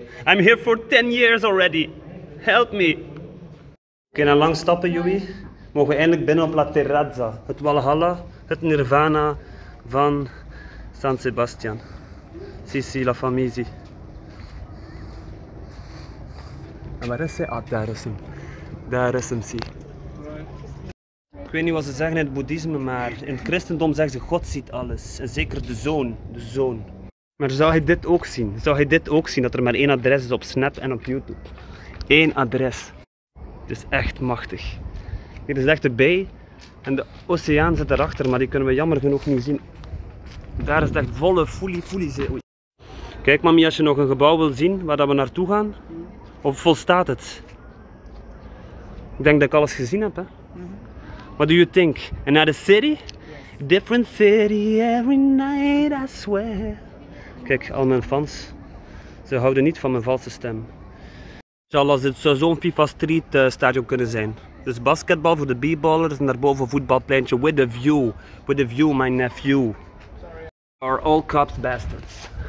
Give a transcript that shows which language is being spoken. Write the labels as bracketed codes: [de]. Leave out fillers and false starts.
[en] I'm here for 10 years already. Help me. [nl] Oké, okay, na lang stappen, Joey, mogen we eindelijk binnen op La Terrazza, het Walhalla, het Nirvana van San Sebastian. Sisi, La Famille. En waar is hij? Ah, daar is hem. Daar is hem, zie. Ik weet niet wat ze zeggen in het boeddhisme, maar in het christendom zeggen ze God ziet alles. En zeker de zoon, de zoon. Maar zou hij dit ook zien? Zou hij dit ook zien, dat er maar één adres is op Snap en op YouTube? Eén adres. Het is echt machtig. Dit is echt de bay en de oceaan zit erachter, maar die kunnen we jammer genoeg niet zien. Daar is het echt volle foelie. Kijk mami, als je nog een gebouw wil zien waar dat we naartoe gaan, of volstaat het? Ik denk dat ik alles gezien heb, hè? [en] Mm-hmm. What do you think? [nl] En naar de city? [en] Yes. Different city every night, I swear. [nl] Kijk, al mijn fans, ze houden niet van mijn valse stem. Als dit zou zo'n FIFA Street stadion kunnen zijn. Dus basketbal voor de b-ballers en daarboven voetbalpleintje [en] with a view. With a view, my nephew. Sorry. Are all cops bastards.